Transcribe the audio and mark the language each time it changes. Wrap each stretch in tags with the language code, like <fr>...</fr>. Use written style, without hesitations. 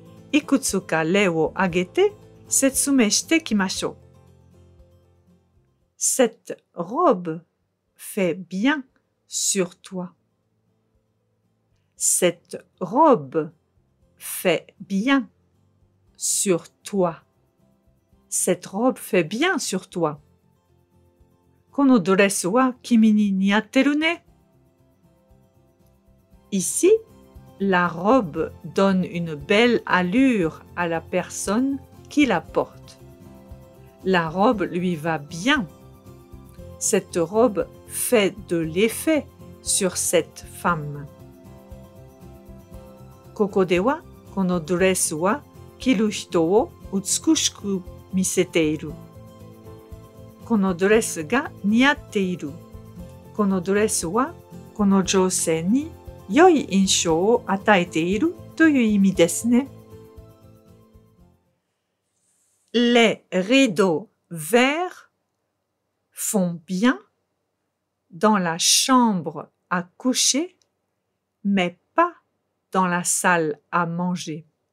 <ja>いくつか例を挙げて説明していきましょう。</ja> <fr>Cette robe fait bien sur toi. Cette robe fait bien sur toi. Cette robe fait bien sur toi.</fr> <ja>このドレスは君に似合ってるね。</ja> <fr>Ici,La robe donne une belle allure à la personne qui la porte. La robe lui va bien. Cette robe fait de l'effet sur cette femme.</fr> <ja>ここではこのドレスは着る人を美しく見せている。このドレスが似合っている。このドレスはこの女性に良い印象を与えているという意味ですね。</ja> <fr>Les rideaux verts font bien dans la chambre à coucher, mais pas dans la salle à manger.</fr>